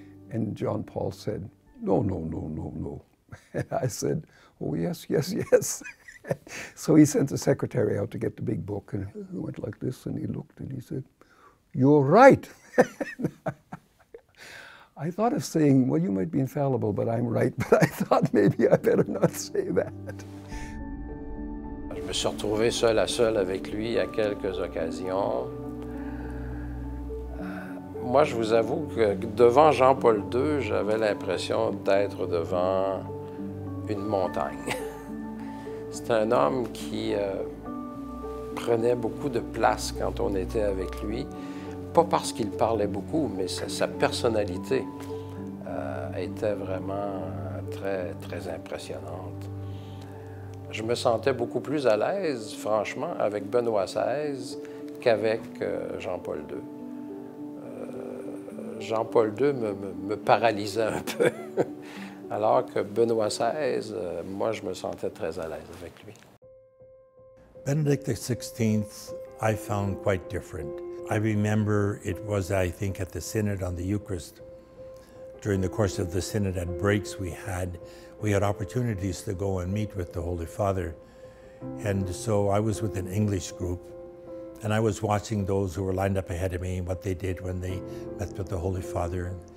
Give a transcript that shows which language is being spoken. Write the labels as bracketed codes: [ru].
[en] And John Paul said, no, no, no, no, no. And I said, oh, yes, yes, yes. So he sent the secretary out to get the big book, and he went like this, and he looked, and he said, you're right. I thought of saying, well, you might be infallible, but I'm right. But I thought maybe I better not say that. [fr] Je me suis retrouvé seul à seul avec lui à quelques occasions. Moi, je vous avoue que devant Jean-Paul II, j'avais l'impression d'être devant une montagne. C'est un homme qui prenait beaucoup de place quand on était avec lui. Pas parce qu'il parlait beaucoup, mais sa personnalité était vraiment très, très impressionnante. Je me sentais beaucoup plus à l'aise, franchement, avec Benoît XVI qu'avec Jean-Paul II. Jean-Paul II me paralysait un peu, alors que Benoît XVI, moi, je me sentais très à l'aise avec lui. [en] Benedict XVI, I found quite different. I remember it was, I think, at the Synod on the Eucharist. During the course of the Synod, at breaks we had opportunities to go and meet with the Holy Father. And so I was with an English group, and I was watching those who were lined up ahead of me, what they did when they met with the Holy Father.